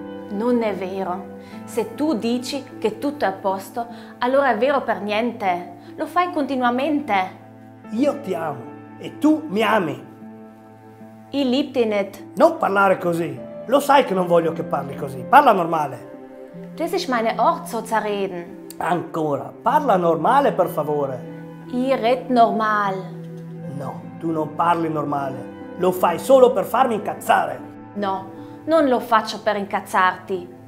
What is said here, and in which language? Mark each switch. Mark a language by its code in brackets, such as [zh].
[it] Non è vero. Se tu dici che tutto è a posto, allora è vero per niente. Lo fai continuamente. Io ti amo e tu mi ami. Il Liebtinet. Non parlare così. Lo sai che non voglio che parli così. Parla normale. [de] Das ist meine Art so zu reden. [it] Ancora. Parla normale, per favore. [de] Ich red normal. [it] No, tu non parli normale. Lo fai solo per farmi incazzare. No, non lo faccio per incazzarti.